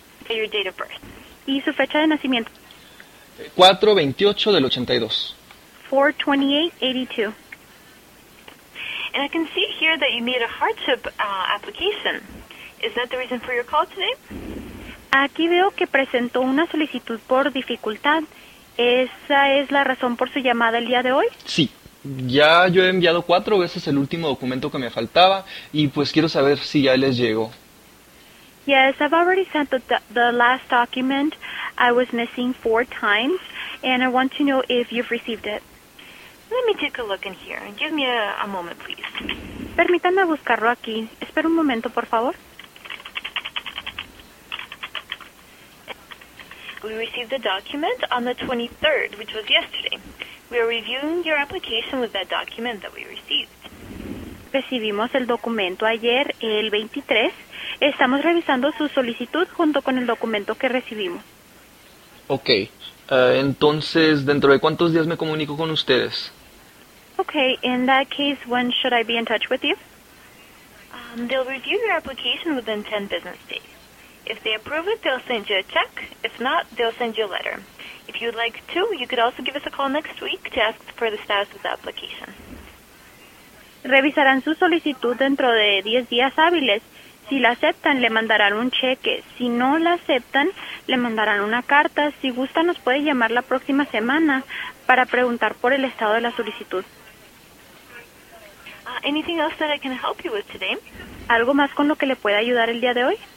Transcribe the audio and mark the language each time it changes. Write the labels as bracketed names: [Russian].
[English] And your date of birth. [Spanish] ¿Y su fecha de nacimiento? 428 del 82. [English] 42882. And I can see here that you made a hardship application. Is that the reason for your call today? [Spanish] Aquí veo que presentó una solicitud por dificultad. ¿Esa es la razón por su llamada el día de hoy? Sí. Ya yo he enviado 4 veces el último documento que me faltaba y pues quiero saber si ya les llegó. [English] Yes, I've already sent the last document I was missing 4 times and I want to know if you've received it. Let me take a look in here. Give me a moment, please. [Spanish] Permítanme buscarlo aquí. Espera un momento, por favor. [English] We received the document on the 23rd, which was yesterday. We are reviewing your application with that document that we received. [Spanish] Recibimos el documento ayer, el 23. Estamos revisando su solicitud junto con el documento que recibimos. Okay. Entonces, ¿dentro de cuántos días me comunico con ustedes? [English] Okay. In that case, when should I be in touch with you? They'll review your application within 10 business days. If they approve it, they'll send you a check. If not, they'll send you a letter. If you'd like to, you could also give us a call next week to ask for the status of the application. [Spanish] Revisarán su solicitud dentro de 10 días hábiles. Si la aceptan, le mandarán un cheque. Si no la aceptan, le mandarán una carta. Si gusta, nos puede llamar la próxima semana para preguntar por el estado de la solicitud. [English] Anything else that I can help you with today? [Spanish] ¿Algo más con lo que le pueda ayudar el día de hoy?